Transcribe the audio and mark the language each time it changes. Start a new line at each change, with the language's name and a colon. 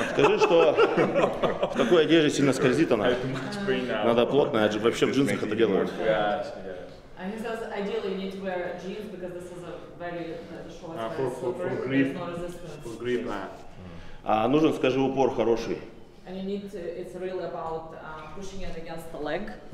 Russian: Скажи, что в такой одежде сильно скользит она. Надо плотно, вообще в джинсах это делают.
English: And he says, ideally you need to wear jeans because this is a very short, very slippery, there's no resistance. For grip, man.
Russian: А нужен, скажи, упор хороший.
English: And you need to, it's really about pushing it against the leg.